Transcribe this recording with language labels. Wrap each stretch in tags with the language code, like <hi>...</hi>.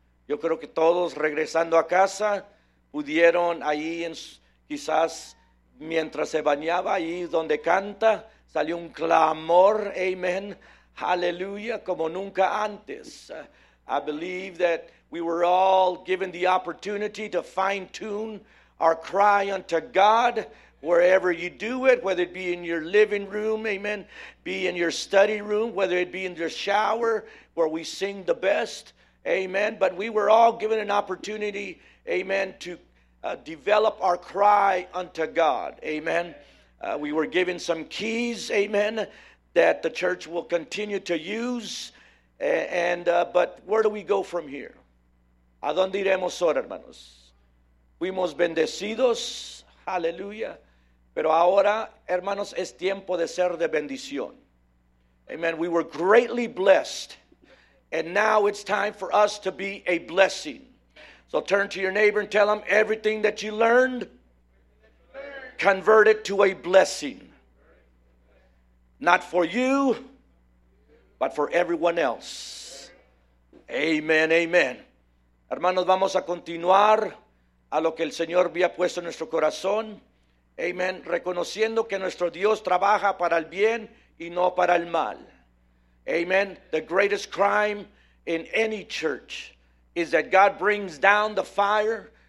<es>Yo creo que todos regresando a casa pudieron ahí en quizás mientras se bañaba ahí donde canta, salió un clamor, amen, hallelujah, como nunca antes.</es> <en>I believe that we were all given the opportunity to fine-tune our cry unto God wherever you do it, whether it be in your living room, amen, be in your study room, whether it be in your shower where we sing the best, amen, but we were all given an opportunity, amen, to develop our cry unto God. Amen. We were given some keys. Amen. That the church will continue to use. But where do we go from here?</en> <es>¿A dónde iremos ahora, hermanos? Fuimos bendecidos. Hallelujah. Pero ahora, hermanos, es tiempo de ser de bendición.</es> <en>Amen. We were greatly blessed. And now it's time for us to be a blessing. So turn to your neighbor and tell him, everything that you learned, convert it to a blessing. Not for you, but for everyone else. Amen, amen.</en> <es>Hermanos, vamos a continuar a lo que el Señor había puesto en nuestro corazón. Amen. Reconociendo que nuestro Dios trabaja para el bien y no para el mal. Amen.</es> <en>The greatest crime in any church is that God brings down the fire,</en>